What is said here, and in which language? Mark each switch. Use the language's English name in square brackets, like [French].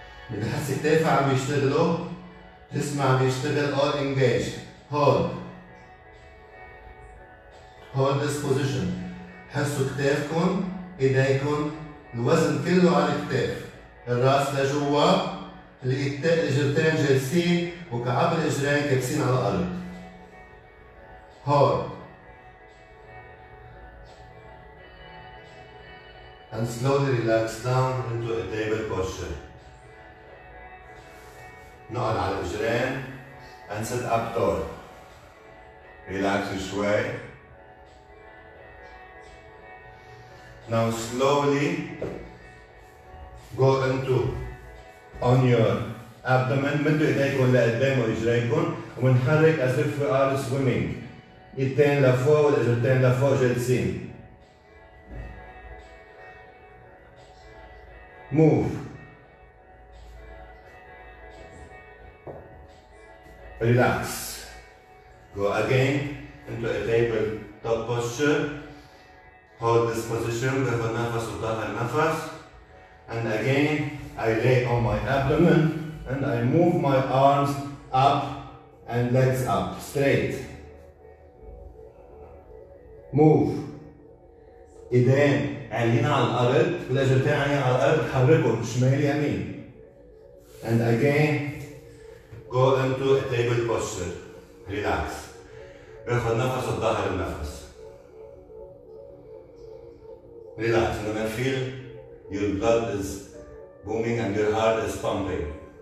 [English] If you feel your legs are working, your body is working, all engaged. Hold. Hold this position. Feel your legs, your hands, your weight is all on your legs. The last leg is what? [Arabic] الاجرتين جالسين وكعب الاجرين كبسين على الارض. [English] Hold. And slowly relax down into a table posture. [Arabic] نقعد على الاجرين [English] and sit up tall. Relax شوي. Now slowly go into On your abdomen, [Arabic] مدوا ايديكم لقدام واجريكم ونحرك [English] as if we are swimming. [Arabic] ايدين لفوق والاجرتين لفوق جالسين. [English] Move. Relax. Go again into a table top posture. Hold this position with a [Arabic] نفس وطاهر نفس. [English] And again. I lay on my abdomen and I move my arms up and legs up straight. Move. [Arabic] إيدين عالين على الأرض والإجرتين عالين على الأرض حركهم شمال يمين. [English] And again, go into a table posture. Relax. [Arabic] باخذ نفس الظهر النفس. [English] Relax. You're gonna feel your blood is booming and your heart is pumping.